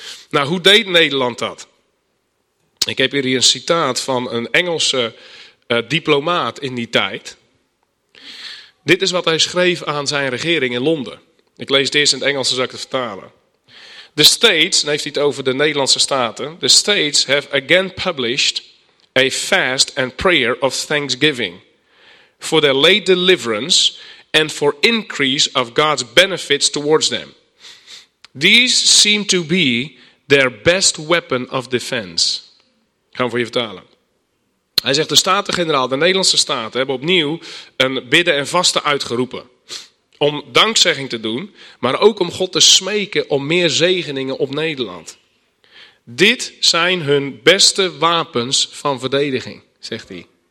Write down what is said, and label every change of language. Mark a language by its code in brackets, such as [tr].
[nl] Nou, hoe deed Nederland dat? Ik heb hier een citaat van een Engelse diplomaat in die tijd. Dit is wat hij schreef aan zijn regering in Londen. Ik lees het eerst in het Engels, dan zal ik het vertalen. The States, dan heeft hij het over de Nederlandse staten. [en] The States have again published a fast and prayer of thanksgiving for their late deliverance and for increase of God's benefits towards them. These seem to be their best weapon of defense. [nl] Ik ga hem voor je vertalen. Hij zegt, de Staten-Generaal, de Nederlandse staten hebben opnieuw een bidden en vasten uitgeroepen. Om dankzegging te doen, maar ook om God te smeken om meer zegeningen op Nederland. Dit zijn hun beste wapens van verdediging, zegt hij.